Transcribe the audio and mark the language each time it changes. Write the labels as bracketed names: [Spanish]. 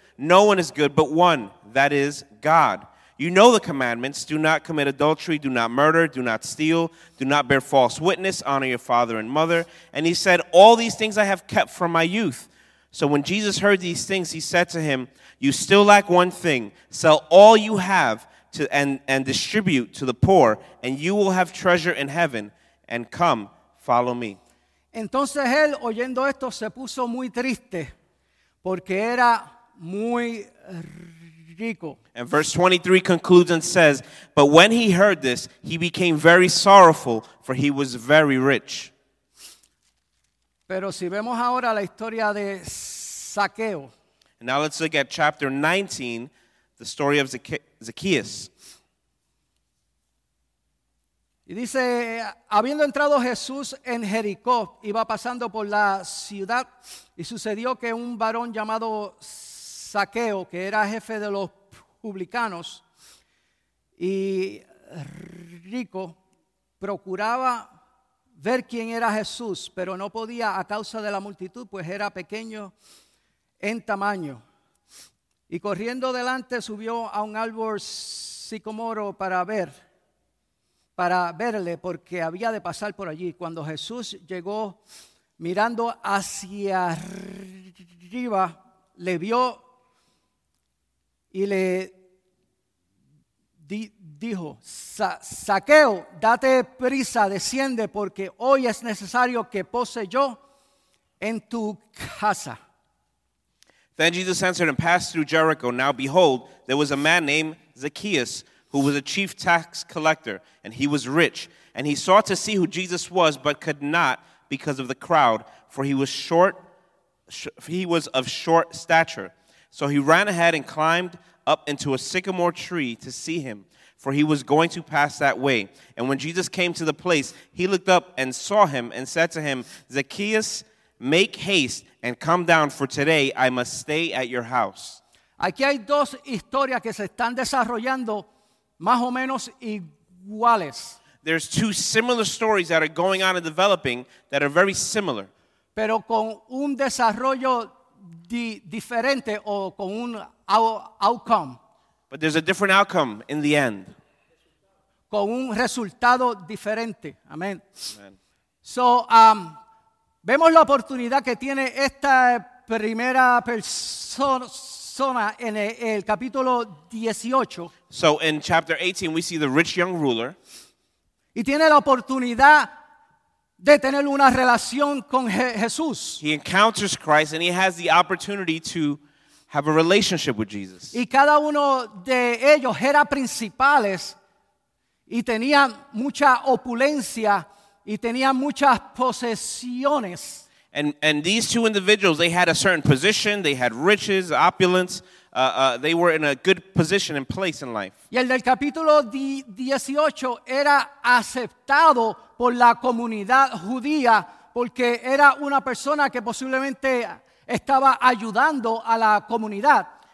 [English] No one is good but one, that is God. You know the commandments, do not commit adultery, do not murder, do not steal, do not bear false witness, honor your father and mother. And he said, all these things I have kept from my youth. So when Jesus heard these things, he said to him, you still lack one thing. Sell all you have and distribute to the poor, and you will have treasure in heaven. And come, follow me. [Spanish] Entonces él, oyendo esto, se puso muy triste, porque era muy rico. [English] And verse 23 concludes and says, but when he heard this, he became very sorrowful, for he was very rich. [Spanish] Pero si vemos ahora la historia de Zaqueo. [English] And now let's look at chapter 19, the story of Zacchaeus. [Spanish] Y dice, habiendo entrado Jesús en Jericó, iba pasando por la ciudad, y sucedió que un varón llamado Zaqueo, que era jefe de los publicanos y rico, procuraba ver quién era Jesús, pero no podía a causa de la multitud, pues era pequeño en tamaño. Y corriendo delante subió a un árbol sicomoro para verle, porque había de pasar por allí. Cuando Jesús llegó mirando hacia arriba, le vio y le dijo, Zaqueo, date prisa, desciende, porque hoy es necesario que pose yo en tu casa. [English] Then Jesus answered and passed through Jericho. Now behold, there was a man named Zacchaeus, who was a chief tax collector, and he was rich. And he sought to see who Jesus was, but could not because of the crowd, for he was of short stature. So he ran ahead and climbed up into a sycamore tree to see him, for he was going to pass that way. And when Jesus came to the place, he looked up and saw him and said to him, Zacchaeus, make haste and come down, for today I must stay at your house. [Spanish] Aquí hay dos historias que se están desarrollando más o menos iguales. [English] There's two similar stories that are going on and developing that are very similar. [Spanish] Pero con un desarrollo diferente o con un outcome. [English] But there's a different outcome in the end. [Spanish] Con un resultado diferente. Amén. [English] Amen. [Spanish] So, vemos la oportunidad que tiene esta primera persona en el capítulo 18. [English] So, in chapter 18, we see the rich young ruler. [Spanish] Y tiene la oportunidad de tener una relación con Jesús. [English] He encounters Christ and he has the opportunity to have a relationship with Jesus. [Spanish] Y cada uno de ellos era principales y tenía mucha opulencia y tenía muchas posesiones. [English] And these two individuals, they had a certain position, they had riches, opulence. They were in a good position and place in life. [Spanish] Y el del capítulo 18 era aceptado por la comunidad judía porque era una persona que posiblemente estaba ayudando a la comunidad.